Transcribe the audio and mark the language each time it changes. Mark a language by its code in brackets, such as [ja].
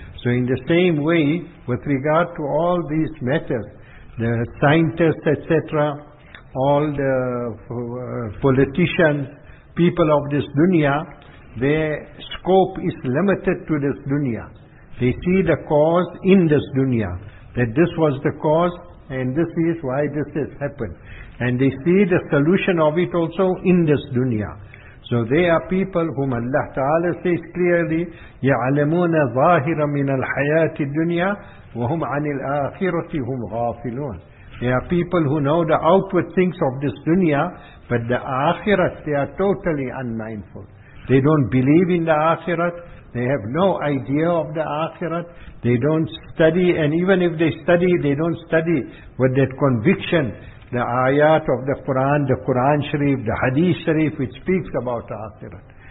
[en] So in the same way, with regard to all these matters, the scientists, etc., all the politicians, people of this dunya, their scope is limited to this dunya. They see the cause in this dunya, that this was the cause and this is why this has happened. And they see the solution of it also in this dunya. So they are people whom Allah Ta'ala says clearly, [ar] يَعْلَمُونَ ظَاهِرًا مِنَ الْحَيَاةِ الدُّنْيَا وَهُمْ عَنِ الْآخِرَةِ هُمْ غَافِلُونَ. [en] They are people who know the outward things of this dunya, but the akhirat, they are totally unmindful. They don't believe in the akhirat. They have no idea of the akhirat. They don't study, and even if they study, they don't study with that conviction, the ayat of the Quran Sharif, the Hadith Sharif, which speaks about the akhirat.